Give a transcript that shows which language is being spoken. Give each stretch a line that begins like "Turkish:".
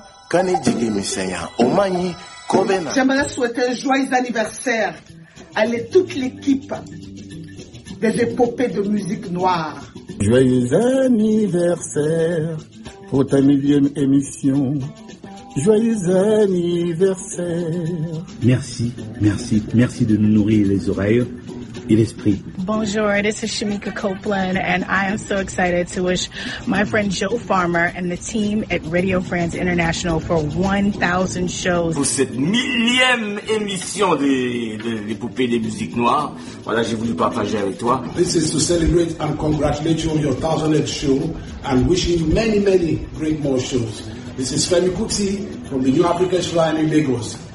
French: J'aimerais souhaiter un joyeux anniversaire à toute l'équipe des épopées de musique noire. Joyeux anniversaire pour ta 1000e émission. Joyeux anniversaire. Merci, merci, merci de nous nourrir les oreilles et l'esprit.
English: Bonjour, this is Shamika Copeland and I am so excited to wish my friend Joe Farmer and the team at Radio France International for 1,000 shows.
French: Pour cette 1000e émission de l'épopée des musiques noires, voilà, j'ai voulu partager avec toi.
English: This is to celebrate and congratulate you on your 1,000th show and wishing you many, many great more shows. This is Femi Kuti from the New Africa Shrine in Lagos.